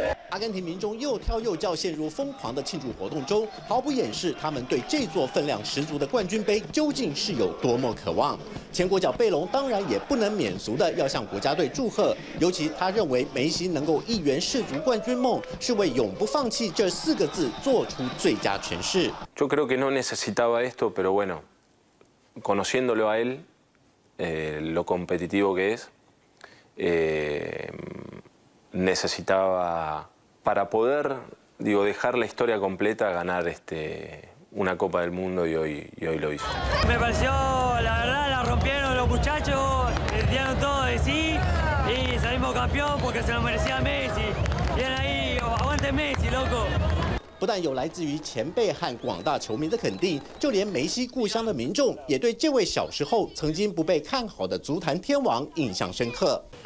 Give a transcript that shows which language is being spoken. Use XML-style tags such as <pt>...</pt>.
<zh>阿根廷民众又跳又叫，陷入疯狂的庆祝活动中，毫不掩饰他们对这座分量十足的冠军杯究竟是有多么渴望。前国脚贝隆当然也不能免俗的要向国家队祝贺，尤其他认为梅西能够一圆世足冠军梦，是为永不放弃这四个字做出最佳诠释。</zh> <es>Yo creo que no necesitaba esto, pero bueno, conociéndolo a él, lo competitivo que es, necesitaba. Para poder, digo, dejar la historia completa, ganar una Copa del Mundo y hoy lo hizo. Me pareció, la verdad, la rompieron los muchachos, dieron todo de sí y salimos campeón porque se lo merecía Messi. Bien ahí, aguante Messi, loco.</es> <zh>不但有来自于前辈和广大球迷的肯定，就连梅西故乡的民众也对这位小时候曾经不被看好的足坛天王印象深刻。</zh>